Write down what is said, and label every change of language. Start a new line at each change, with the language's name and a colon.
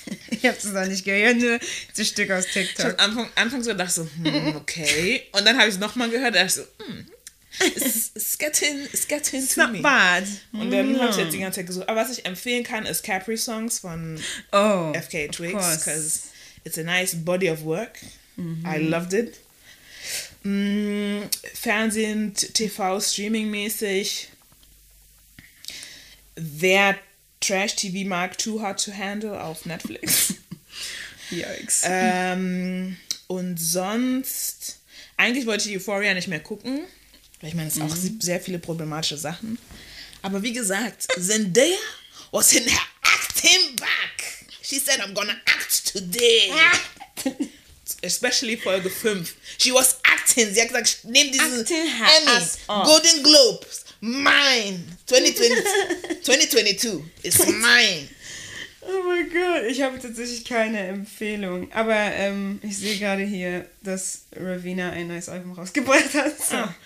German: Ich hab's noch nicht gehört, nur ein Stück aus TikTok. Ich hab anfangs so gedacht, so, okay. Und dann habe ich es nochmal gehört, da dachte ich so,
English: it's getting it's to not me. Bad.
German: Und dann habe ich jetzt die ganze Zeit gesucht. Aber was ich empfehlen kann, ist Capri Songs von FK Twigs.
English: Because it's a nice body of work. Mm-hmm. I loved it.
German: Fernsehen, TV, Streaming-mäßig. Wer Trash-TV mag, Too Hard to Handle auf Netflix.
English: Yikes.
German: Und sonst, eigentlich wollte ich Euphoria nicht mehr gucken. Weil ich meine, es sind auch sehr viele problematische Sachen. Aber wie gesagt,
English: Zendaya was in her acting back. She said, I'm gonna act today. Especially Folge 5. She was acting.
German: Sie hat gesagt, nimm diesen Emmy, Golden Globes,
English: mine. 2022 is mine.
German: Oh mein Gott, ich habe tatsächlich keine Empfehlung. Aber ich sehe gerade hier, dass Ravina ein neues Album rausgebracht hat. So.